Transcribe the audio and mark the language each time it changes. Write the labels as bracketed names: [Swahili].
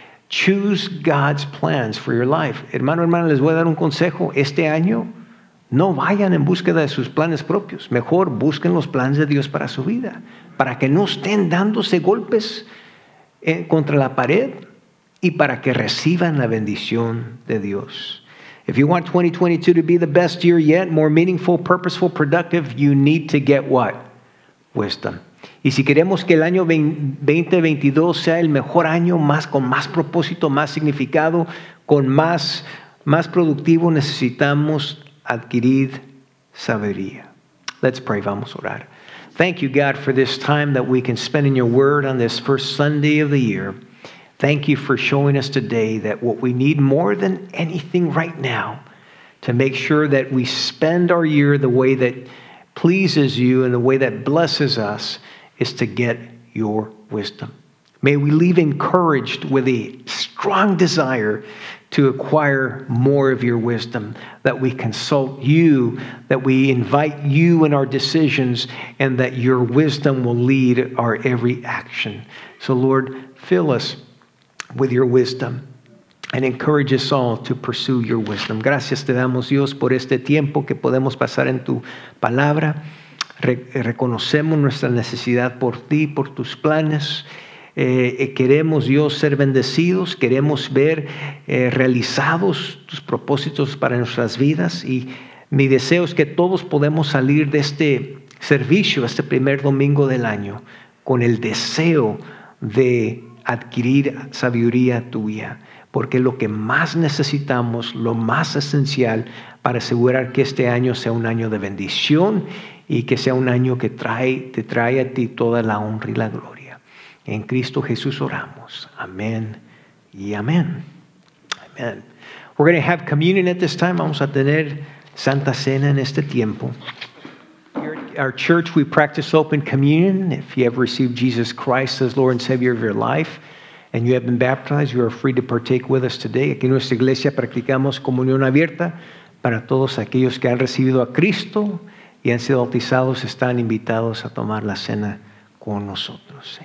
[English] Choose God's plans for your life. [Spanish] Hermano, hermana, les voy a dar un consejo. Este año, no vayan en búsqueda de sus planes propios. Mejor busquen los planes de Dios para su vida. Para que no estén dándose golpes contra la pared. Y para que reciban la bendición de Dios. [English] If you want 2022 to be the best year yet, more meaningful, purposeful, productive, you need to get what? Wisdom. [Spanish] Y si queremos que el año 2022 sea el mejor año, más con más propósito, más significado, con más productivo, necesitamos adquirir sabiduría. [English] Let's pray. [Spanish] Vamos a orar. [English] Thank you, God, for this time that we can spend in your word on this first Sunday of the year. Thank you for showing us today that what we need more than anything right now to make sure that we spend our year the way that pleases you and the way that blesses us is to get your wisdom. May we leave encouraged with a strong desire to acquire more of your wisdom, that we consult you, that we invite you in our decisions, and that your wisdom will lead our every action. So Lord, fill us with your wisdom and encourage us all to pursue your wisdom. [Spanish] Gracias te damos, Dios, por este tiempo que podemos pasar en tu palabra. Reconocemos nuestra necesidad por ti, por tus planes. Queremos, Dios, ser bendecidos. Queremos ver realizados tus propósitos para nuestras vidas. Y mi deseo es que todos podamos salir de este servicio, este primer domingo del año, con el deseo de adquirir sabiduría tuya, porque lo que más necesitamos, lo más esencial para asegurar que este año sea un año de bendición y que sea un año que te trae a ti toda la honra y la gloria. En Cristo Jesús oramos. Amén y amén. Amén. [English] We're going to have communion at this time. [Spanish] Vamos a tener Santa Cena en este tiempo. [English] Our church, we practice open communion. If you have received Jesus Christ as Lord and Savior of your life, and you have been baptized, you are free to partake with us today. [Spanish] Aquí en nuestra iglesia practicamos comunión abierta para todos aquellos que han recibido a Cristo y han sido bautizados, están invitados a tomar la cena con nosotros.